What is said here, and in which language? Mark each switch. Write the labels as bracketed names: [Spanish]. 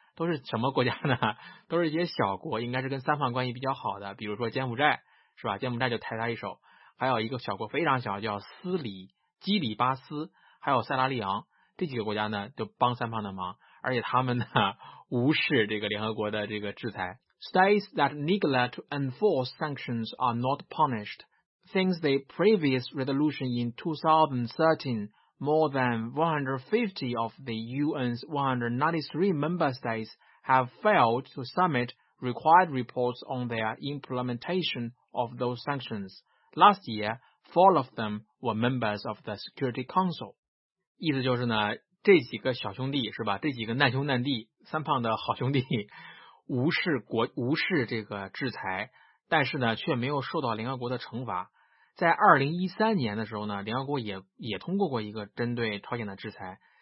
[Chinese] 都是什么国家呢？都是一些小国，应该是跟三方关系比较好的，比如说柬埔寨，是吧，柬埔寨就抬他一手，还有一个小国非常小叫斯里基里巴斯，还有塞拉利昂，这几个国家呢就帮三方的忙，而且他们呢无视这个联合国的这个制裁。 [English] States that neglect to enforce sanctions are not punished. Since the previous resolution in 2013, more than 150 of the UN's 193 member states have failed to submit required reports on their implementation of those sanctions. Last year, four of them were members of the Security Council. [Chinese] 意思就是呢，这几个小兄弟是吧，这几个难兄难弟，三胖的好兄弟，无视这个制裁，但是呢却没有受到联合国的惩罚。在2013年的时候呢，联合国也通过过一个针对朝鲜的制裁。